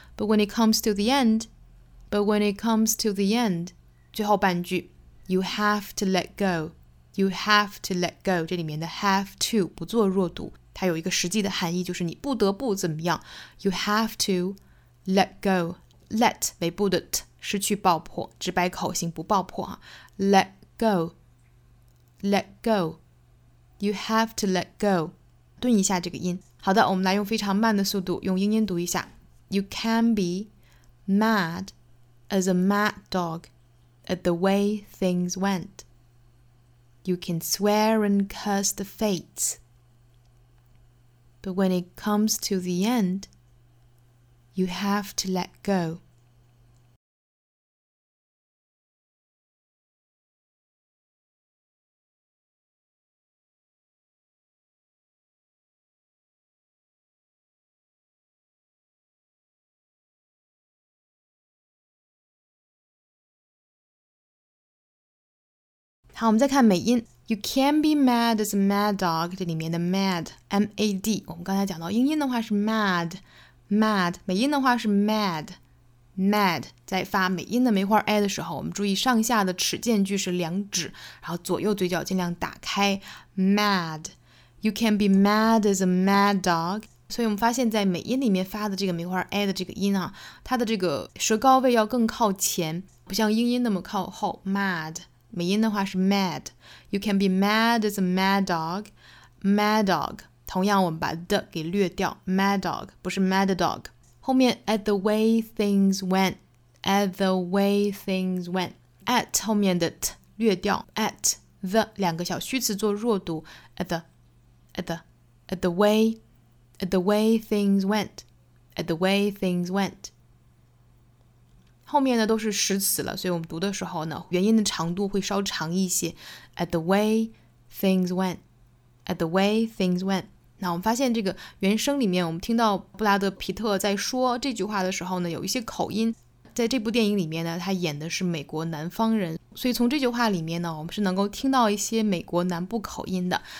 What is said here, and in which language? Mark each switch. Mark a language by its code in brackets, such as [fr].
[en] But when it comes to the end, but when it comes to the end, [zh] 最后半句 [en] ，you have to let go, you have to let go. [zh] 这里面的 have to 不做弱读，它有一个实际的含义，就是你不得不怎么样。 [en] You have to let go. [zh] Let 尾部的 t 失去爆破，只摆口型不爆破啊。 [en] Let go, let go. You have to let go. [zh] 顿一下这个音。好的，我们来用非常慢的速度用英音读一下。 [en] You can be mad as a mad dog at the way things went. You can swear and curse the fates. But when it comes to the end, you have to let go. [zh] How 我们再看美音 [en] You can be mad as a mad dog. [zh] 这里面的 mad, M-A-D. 我们刚才讲到英音的话是 mad, mad. 美音的话是 mad, mad. 在发美音的梅花 a 的时候，我们注意上下的齿间距是两指，然后左右嘴角尽量打开。 [en] Mad. You can be mad as a mad dog. [zh] 所以我们发现在美音里面发的这个梅花 a 的这个音啊，它的这个舌高位要更靠前，不像英音那么靠后。 mad 美音的话是 mad。 [en] You can be mad as a mad dog. Mad dog [zh] 同样我们把 the 给略掉， [en] mad dog [zh] 不是 [en] mad dog。 [zh] 后面 [en] at the way things went, at the way things went, at 后面的 t 略掉， at the [zh] 两个小虚词做弱读， [en] at the at the at the wayAt the way things went, at the way things went. [zh] 后面呢都是实词了，所以我们读的时候呢，元音的长度会稍长一些。 [en] At the way things went, at the way things went. [zh] 那我们发现这个原声里面，我们听到布拉德皮特在说这句话的时候呢，有一些口音。在这部电影里面呢，他演的是美国南方人，所以从这句话里面呢，我们是能够听到一些美国南部口音的。